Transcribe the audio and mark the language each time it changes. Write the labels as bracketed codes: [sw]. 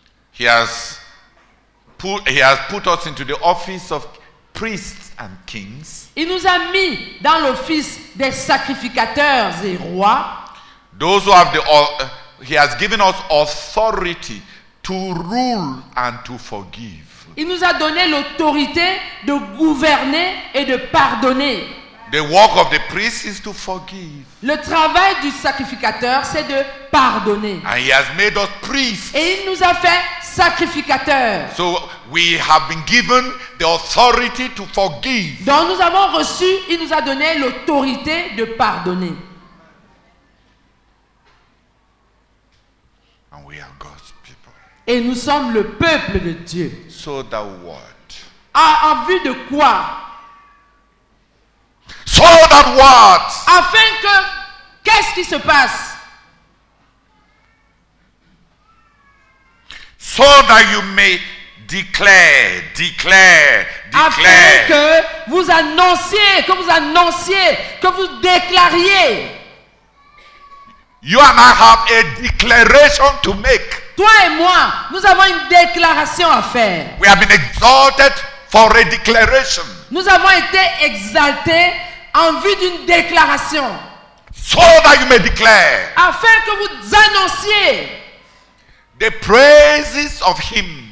[en] He has put us into the office of priests and kings. [fr] Il nous a mis dans l'office des sacrificateurs et rois. [en] Those who have the He has given us authority to rule and to forgive. [fr] Il nous a donné l'autorité de gouverner et de pardonner. [en] The work of the priest is to forgive. [fr] Le travail du sacrificateur, c'est de pardonner. [en] And he has made us priests. [fr] Et il nous a fait sacrificateurs. [en] So we have been given the authority to forgive. [fr] Donc nous avons reçu, il nous a donné l'autorité de pardonner. [en] We are God's people. [fr] Et nous sommes le peuple de Dieu. [en] So that what? [fr] En vue de quoi? [en] So that what? [fr] Afin que, qu'est-ce qui se passe? [en] So that you may declare. [fr] Afin que vous annonciez, que vous déclariez. [en] You and I have a declaration to make. [fr] Toi et moi, nous avons une déclaration à faire. [en] We have been exalted for a declaration. [fr] Nous avons été exaltés en vue d'une déclaration. [en] So that you may declare. [fr] Afin que vous annonciez. [en] The praises of him.